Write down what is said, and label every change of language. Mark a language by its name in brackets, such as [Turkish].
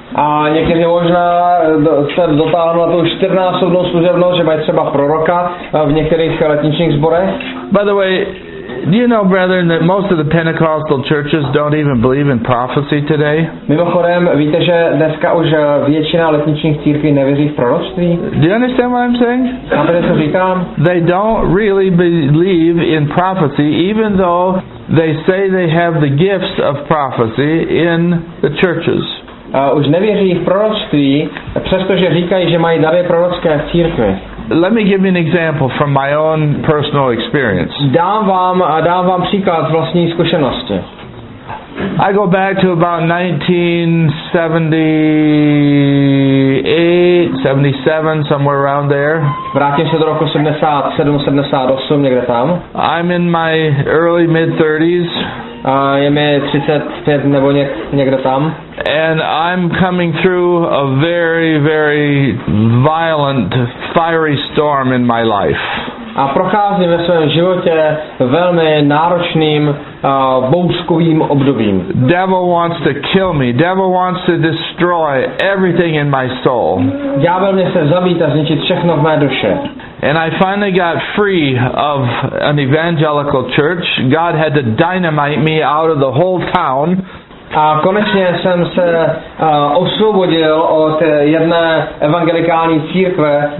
[Czech] A někteří možná se dotáhnou na tu čtyřnásobnou služebnost, že mají třeba proroka v některých letničních sborech. [English] By the way, do you know, brethren, that most of the Pentecostal churches don't even believe in prophecy today? [Czech] Mimochodem, víte, že dneska už většina letničních církví nevěří v proroctví? [English] Do you understand what I'm saying? [Czech] Chápete, co říkám? [English] They don't really believe in prophecy, even though they say they have the gifts of prophecy in the churches. [Czech] Už nevěří v proroctví, přestože říkají, že mají dary prorocké v církvi. [English] Let me give you an example from my own personal experience. [Czech] Dám vám příklad z vlastní zkušenosti. [English] I go back to about 1978, 77, somewhere around there. [Czech] Vrátím se do roku 77, 78, někde tam. [English] I'm in my early mid-30s. [Czech] Je mi 35 nebo někde tam. [English] And I'm coming through a very, very violent, fiery storm in my life. [Czech] A procházím ve svém životě velmi náročným bouřkovým obdobím. [English] Devil wants to kill me. Devil wants to destroy everything in my soul. [Czech] Ďábel mě chce zabít a zničit všechno v mé duši. [English] And I finally got free of an evangelical church. God had to dynamite me out of the whole town. [Czech] A konečně jsem se osvobodil od jedné evangelikální církve.